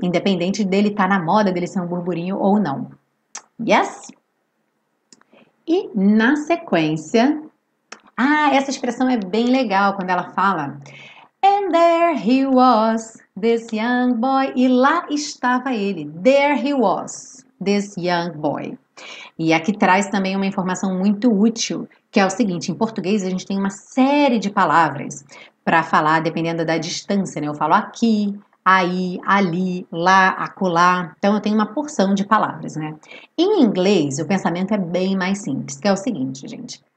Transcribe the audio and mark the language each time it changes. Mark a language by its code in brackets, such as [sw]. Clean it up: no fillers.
[pt] Independente dele estar na moda, dele ser um burburinho ou não. Yes? E na sequência, essa expressão é bem legal quando ela fala: [en] And there he was, this young boy. [pt] E lá estava ele. [en] There he was, this young boy. [pt] E aqui traz também uma informação muito útil, que é o seguinte: em português a gente tem uma série de palavras para falar, dependendo da distância, né? Eu falo aqui. Aí, ali, lá, acolá. Então eu tenho uma porção de palavras, né? Em inglês, o pensamento é bem mais simples, que é o seguinte, gente.